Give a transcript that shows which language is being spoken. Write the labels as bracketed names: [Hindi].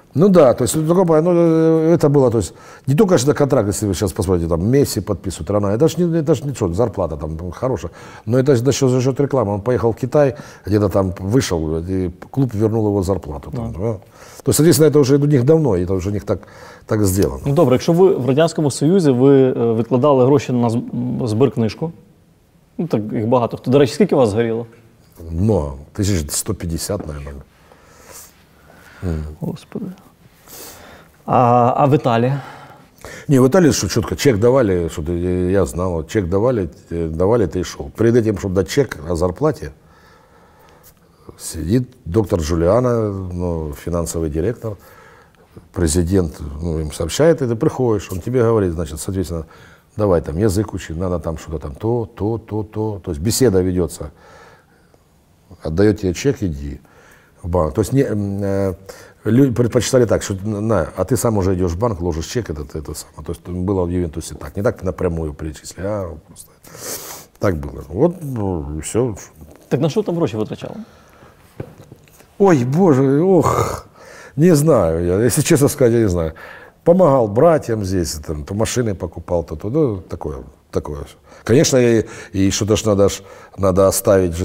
[Russian] Ну да, то есть такое, ну, это было, то есть не только что контракт, если вы сейчас посмотрите, там Месси подписывают, Рональдо, это же не что, зарплата там хорошая, но это за счет рекламы. Он поехал в Китай, где-то там вышел, и клуб вернул его зарплату. Там, да. То есть, соответственно, это уже у них давно, это уже у них так сделано. [Ukrainian] Ну, добре, якщо ви в Радянському Союзі, ви викладали гроші на збиркнижку, ну, так їх багато, то, до речі, скільки у вас згоріло? [Russian] Ну, 1150, наверное. [Ukrainian] Господи. А в Італії? Ні, в Італії що чітко. Чек давали, що я знав. Чек давали, давали, ти йшов. Перед тим, щоб дати чек на зарплаті, сидить доктор Джуліано, ну, фінансовий директор, президент, ну, їм сообщає, ти приходиш, він тобі говорить, значить, відповідно, давай там язик учи, треба там щось там то. Тобто бесіда ведеться. Віддає тебе чек, іди в банк. Тобто не, люди предпочитали так, що на, а ти сам уже йдеш в банк, ложиш чек, це саме. Тобто було в Ювентусі так. [Russian] Не так напрямую перечислили, а просто так було. [Ukrainian] От, ну, все. Так на що там гроші витрачали? [Russian] Ой, Боже, ох, не знаю, я, если честно сказать, я не знаю. Помогал братьям здесь, там, то машины покупал, то, ну, такое, такое. Конечно, и что-то ж надо, надо оставить.